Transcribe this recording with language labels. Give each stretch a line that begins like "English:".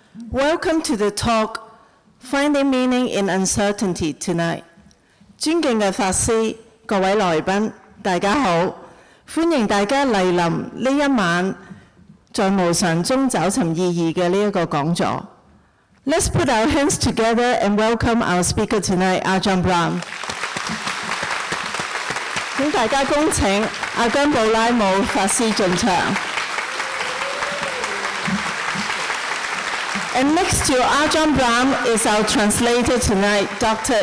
English: Welcome to the talk, Finding Meaning in Uncertainty Tonight.
Chinese: 尊敬的法师，各位来宾，大家好，欢迎大家来临这一晚在无常中找寻意义的这个讲座。
English: Let's put our hands together and welcome our speaker tonight, Ajahn Brahm.
Chinese: 请大家恭请阿姜布拉姆法师进场。
English: And next to Ajahn Brahm is our translator tonight, Dr.